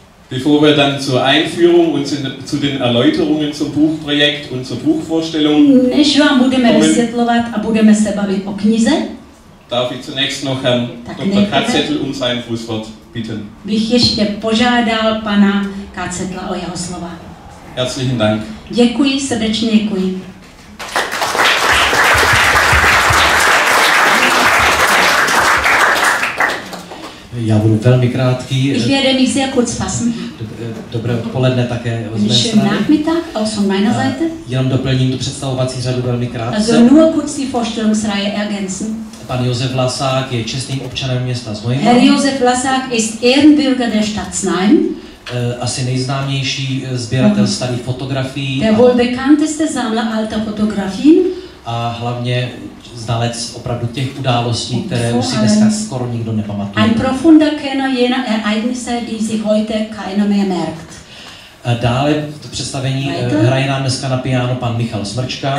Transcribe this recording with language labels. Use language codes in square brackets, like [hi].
[de] Bevor wir dann zur Einführung und zu den Erläuterungen zum Buchprojekt und zur Buchvorstellung [cs] než vám budeme vysvětlovat a budeme se bavit o knize, [de] darf ich zunächst noch Herrn Dr. Katzettl um sein Grußwort bitten. [cs] Bych ještě požádal pana Katzettla o jeho slova. [de] Herzlichen Dank. [cs] Děkuji, srdečně děkuji. Já budu velmi krátký. [de] Ich werde mich sehr kurz fassen. [cs] Dobré odpoledne také od mé strany. [de] Guten Nachmittag auch von meiner Seite. [cs] Jenom doplním tu představovací řadu velmi krátce. [de] Also nur kurz die Vorstellungsreihe ergänzen. [cs] Pan Josef Vlasák je čestným občanem města Znojma. [de] Herr Josef Vlasák ist Ehrenbürger der Stadt Znojma. [cs] Asi nejznámější sběratel starých fotografií. [de] Der wohl bekannteste Sammler alter Fotografien. [cs] A hlavně znalec opravdu těch událostí, které už si dneska skoro nikdo nepamatuje. [de] Ein profunder Kenner jener Ereignisse, die sich heute keiner mehr merkt. [cs] Dále to představení hraje nám dneska na piano pan Michal Smrčka.